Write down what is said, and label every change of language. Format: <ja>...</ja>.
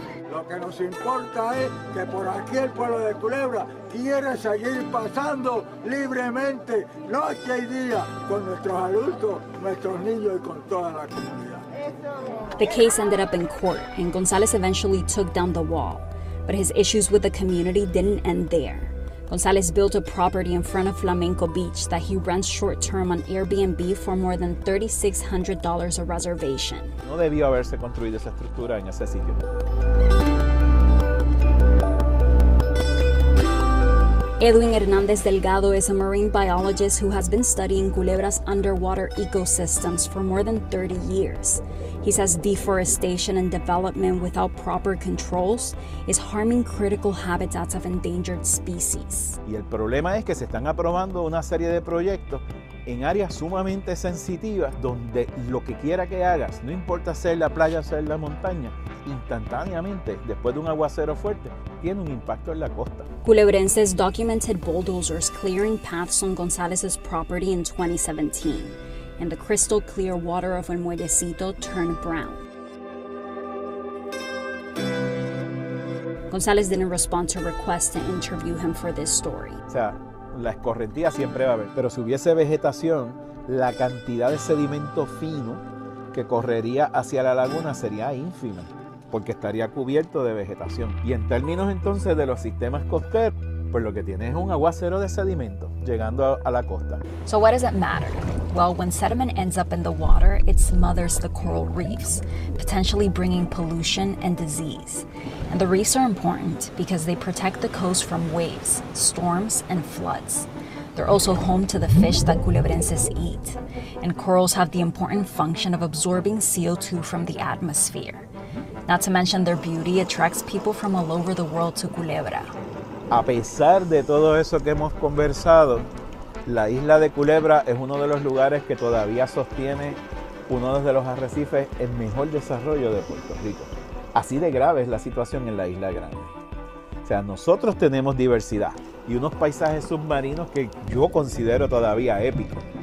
<es>Lo que nos importa es que por aquí el pueblo de Culebra quiere seguir pasando libremente noche y día con nuestros adultos, nuestros niños y con toda la comunidad.</es> <en>The case ended up in court, and Gonzalez eventually took down the wall. But his issues with the community didn't end there. Gonzalez built a property in front of Flamenco Beach that he rents short-term on Airbnb for more than $3,600 a reservation.</en> <es>No debió haberse construido esa estructura en ese sitio.</es> <en>Edwin Hernandez Delgado is a marine biologist who has been studying Culebra's underwater ecosystems for more than 30 years. He says deforestation and development without proper controls is harming critical habitats of endangered species.</en> <es>Y el problema es que se están aprobando una serie de proyectos en áreas sumamente sensitivas donde lo que quiera que hagas, no importa ser la playa o ser la montaña, instantáneamente, después de un aguacero fuerte, tiene un impacto en la costa.</es> <en>Culebrenses documented bulldozers clearing paths on Gonzalez's property in 2017, and the crystal clear water of El Muellecito turned brown. Gonzalez didn't respond to requests to interview him for this story.</en> <es>O sea, la escorrentía siempre va a haber, pero si hubiese vegetación, la cantidad de sedimento fino que correría hacia la laguna sería ínfima, porque estaría cubierto de vegetación. Y en términos entonces de los sistemas costeros, pues lo que tiene es un aguacero de sedimento llegando a la costa.</es> <en>So what does it matter? Well, when sediment ends up in the water, it smothers the coral reefs, potentially bringing pollution and disease. And the reefs are important because they protect the coast from waves, storms, and floods. They're also home to the fish that culebrenses eat. And corals have the important function of absorbing CO2 from the atmosphere. Not to mention their beauty attracts people from all over the world to Culebra.</en> <es>A pesar de todo eso que hemos conversado, la isla de Culebra es uno de los lugares que todavía sostiene uno de los arrecifes en mejor desarrollo de Puerto Rico. Así de grave es la situación en la isla grande. O sea, nosotros tenemos diversidad y unos paisajes submarinos que yo considero todavía épicos.</es>